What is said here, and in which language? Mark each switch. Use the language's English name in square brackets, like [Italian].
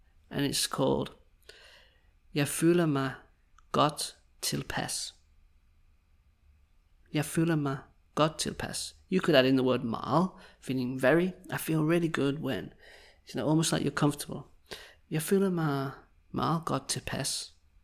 [English] And it's called, [Danish] jeg føler mig godt tilpas. Jeg føler mig godt tilpas. [English] You could add in the word meget, feeling very, I feel really good when. It's almost like you're comfortable. [Danish] Jeg føler mig meget godt tilpas.